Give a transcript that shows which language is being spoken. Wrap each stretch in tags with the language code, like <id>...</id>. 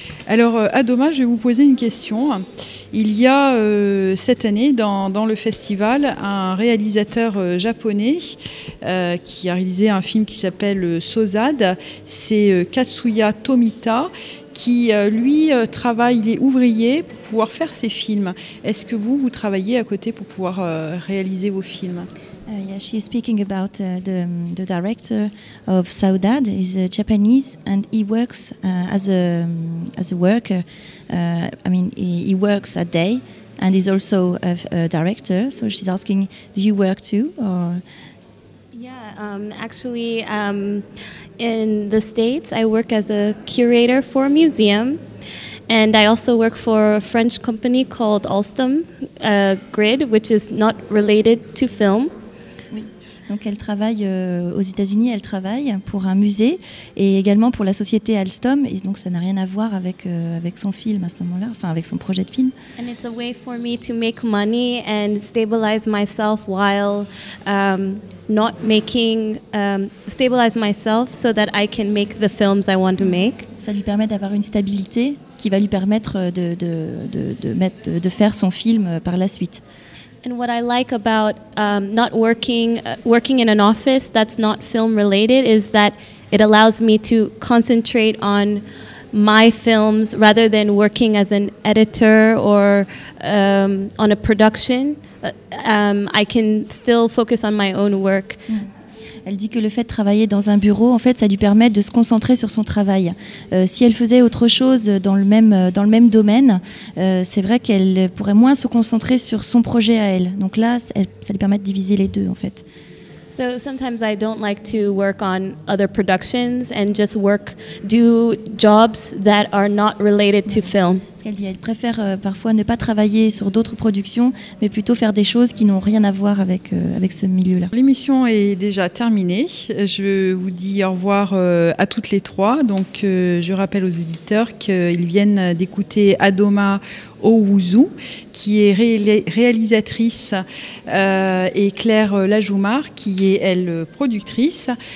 <fr>Alors, Adoma, je vais vous poser une question. Il y a cette année, dans le festival, un réalisateur japonais qui a réalisé un film qui s'appelle Sozad. C'est Katsuya Tomita qui, lui, travaille, il est ouvrier pour pouvoir faire ses films. Est-ce que vous travaillez à côté pour pouvoir réaliser vos films ?</fr> <en>Yeah, she's speaking about the director of Saudad. He's a Japanese and he works as a worker. He works a day and he's also a director. So she's asking, do you work too? Or yeah, actually, in the States, I work as a curator for a museum. And I also work for a French company called Alstom Grid, which is not related to film.</en> <fr>Donc elle travaille aux États-Unis, elle travaille pour un musée et également pour la société Alstom, et donc ça n'a rien à voir avec son film à ce moment-là, enfin avec son projet de film.</fr> <en>And it's a way for me to make money and stabilize myself while not making stabilize myself so that I can make the films I want to make.</en> <fr>Ça lui permet d'avoir une stabilité qui va lui permettre de faire son film par la suite.</fr> <en>And what I like about not working in an office that's not film related is that it allows me to concentrate on my films rather than working as an editor or on a production. I can still focus on my own work. Mm.</en> <fr>Elle dit que le fait de travailler dans un bureau, en fait, ça lui permet de se concentrer sur son travail. Si elle faisait autre chose dans le même domaine, c'est vrai qu'elle pourrait moins se concentrer sur son projet à elle. Donc là, ça lui permet de diviser les deux, en fait.</fr> <en>So sometimes I don't like to work on other productions and just do jobs that are not related to film.</en> <fr>Ce qu'elle dit, elle préfère parfois ne pas travailler sur d'autres productions, mais plutôt faire des choses qui n'ont rien à voir avec ce milieu-là. L'émission est déjà terminée. Je vous dis au revoir à toutes les trois. Donc je rappelle aux auditeurs qu'ils viennent d'écouter Adoma Owuzu, qui est réalisatrice, et Claire Lajoumar, qui est, elle, productrice.</fr>